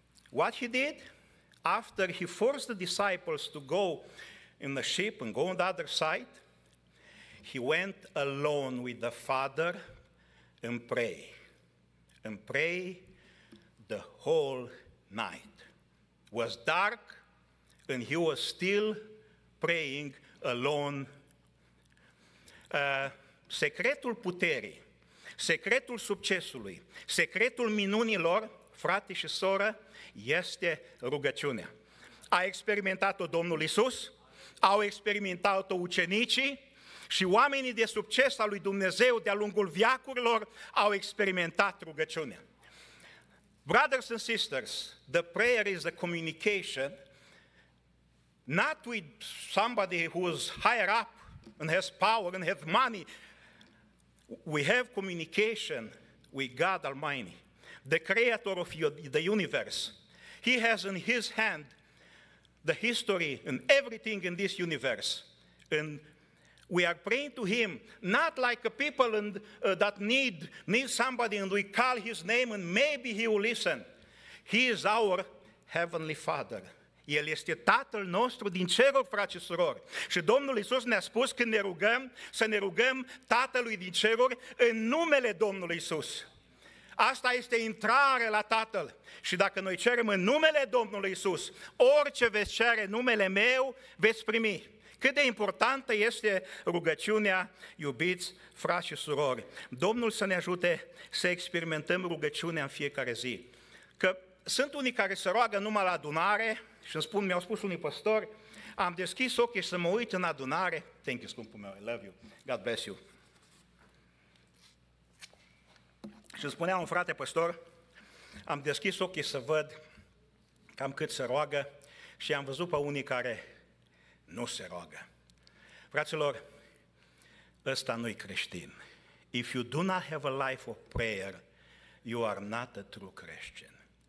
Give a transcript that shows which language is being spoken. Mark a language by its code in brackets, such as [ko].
[en] What He did, after He forced the disciples to go in the ship and go on the other side, He went alone with the Father and pray. And pray the whole night. It was dark, and He was still praying alone. [ro] Secretul puterii, secretul succesului, secretul minunilor, frate și soră, este rugăciunea. A experimentat-o Domnul Iisus, au experimentat-o ucenicii și oamenii de succes al lui Dumnezeu de-a lungul veacurilor au experimentat rugăciunea. [en] Brothers and sisters, the prayer is the communication, not with somebody who is higher up and has power and has money. We have communication with God Almighty, the creator of the universe. He has in His hand the history and everything in this universe. And we are praying to Him, not like a people and that need somebody, and we call His name and maybe He will listen. He is our Heavenly Father. [ro] El este Tatăl nostru din ceruri, frați și surori. Și Domnul Iisus ne-a spus când ne rugăm, să ne rugăm Tatălui din ceruri în numele Domnului Iisus. Asta este intrare la Tatăl. Și dacă noi cerem în numele Domnului Iisus, orice veți cere numele meu, veți primi. Cât de importantă este rugăciunea, iubiți frați și surori. Domnul să ne ajute să experimentăm rugăciunea în fiecare zi. Că sunt unii care se roagă numai la adunare, și îmi spun, mi-au spus unii păstori, am deschis ochii să mă uit în adunare. [en] Thank you, [ro] scumpul meu, [en] I love you. God bless you. [ro] Și îmi spunea un frate păstor, am deschis ochii să văd cam cât se roagă și am văzut pe unii care nu se roagă. Fraților, ăsta nu-i creștin. [en] If you do not have a life of prayer, you are not a true Christian.